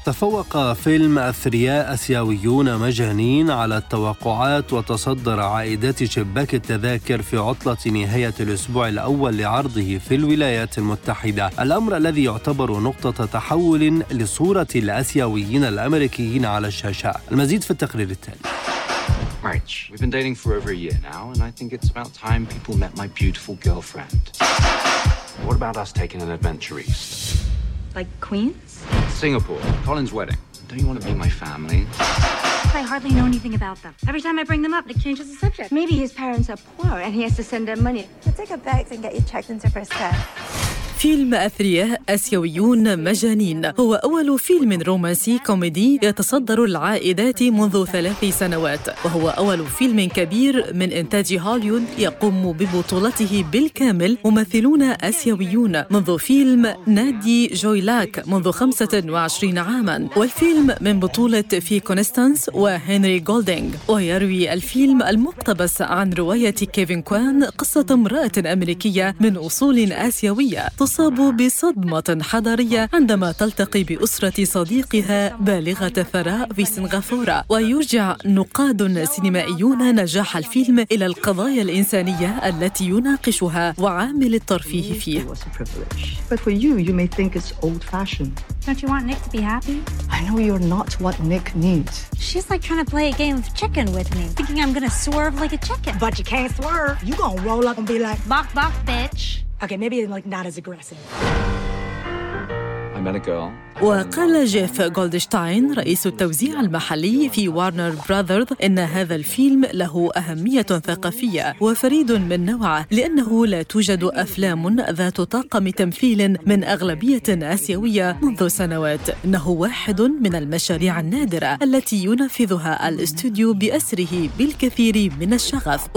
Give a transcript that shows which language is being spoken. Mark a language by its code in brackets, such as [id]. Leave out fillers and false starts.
[ar] تفوق فيلم أثرياء آسيويون مجانين على التوقعات وتصدر عائدات شباك التذاكر في عطلة نهاية الأسبوع الأول لعرضه في الولايات المتحدة، الأمر الذي يعتبر نقطة تحول لصورة الآسيويين الأمريكيين على الشاشة. المزيد في التقرير التالي. [en] We've been dating for over a year now and I think it's about time people met my beautiful girlfriend. What about us taking an adventure east? Like Queens? Singapore, Colin's wedding. Don't you want to be my family? I hardly know anything about them. Every time I bring them up, it changes the subject. Maybe his parents are poor and he has to send them money. I'll take a bag and get you checked into first class. [ar] فيلم أثرياء آسيويون مجانين هو أول فيلم رومانسي كوميدي يتصدر العائدات منذ 3 سنوات، وهو أول فيلم كبير من إنتاج هوليوود يقوم ببطولته بالكامل ممثلون آسيويون منذ فيلم نادي جويلاك منذ 25 عاماً، والفيلم من بطولة في كونستانس وهنري جولدينغ. ويروي الفيلم المقتبس عن رواية كيفين كوان قصة امرأة أمريكية من أصول آسيوية تصاب بصدمة حضارية عندما تلتقي بأسرة صديقها بالغة الثراء في سنغافورة، ويرجع نقاد سينمائيون نجاح الفيلم إلى القضايا الإنسانية التي يناقشها وعامل الترفيه فيه. [en] But for you, you may think it's old fashioned. Don't you want Nick to be happy? I know you're not what Nick needs. She's like trying to play a game of chicken with me, thinking I'm gonna swerve like a chicken. But you can't swerve. You're gonna roll up and be like, bok bok bitch. Okay, maybe like not as aggressive. [ar] وقال جيف جولدشتاين رئيس التوزيع المحلي في وارنر براذرز إن هذا الفيلم له أهمية ثقافية وفريد من نوعه، لأنه لا توجد أفلام ذات طاقم تمثيل من أغلبية آسيوية منذ سنوات، إنه واحد من المشاريع النادرة التي ينفذها الاستوديو بأسره بالكثير من الشغف.